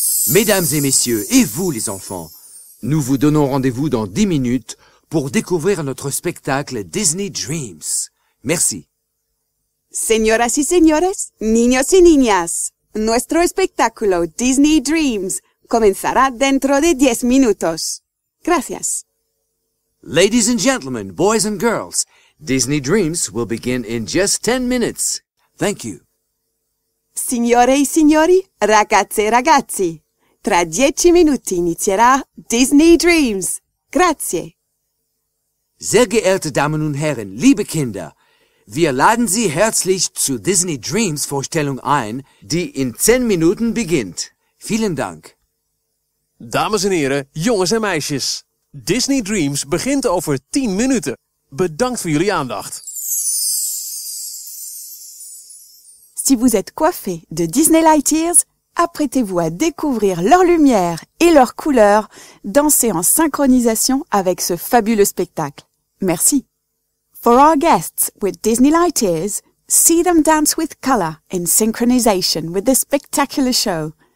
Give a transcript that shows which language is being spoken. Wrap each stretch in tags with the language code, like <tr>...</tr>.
<fr>Mesdames et messieurs, et vous les enfants, nous vous donnons rendez-vous dans 10 minutes pour découvrir notre spectacle Disney Dreams. Merci.</fr> <es>Señoras y señores, niños y niñas, nuestro espectáculo Disney Dreams comenzará dentro de 10 minutos. Gracias.</es> <en>Ladies and gentlemen, boys and girls, Disney Dreams will begin in just 10 minutes. Thank you.</en> <it>Signore e signori, ragazze e ragazzi, tra 10 minuti inizierà Disney Dreams. Grazie.</it> <de>Sehr geehrte Damen und Herren, liebe Kinder, wir laden Sie herzlich zu Disney Dreams Vorstellung ein, die in 10 Minuten beginnt. Vielen Dank.</de> <nl>Dames en heren, jongens en meisjes, Disney Dreams begint over 10 minuten. Bedankt voor jullie aandacht.</nl> <fr>Si vous êtes coiffé de Disney Light Years, apprêtez-vous à découvrir leur lumière et leurs couleurs, danser en synchronisation avec ce fabuleux spectacle. Merci.</fr> <en>For our guests with Disney Light Years, see them dance with color in synchronization with this spectacular show.</en>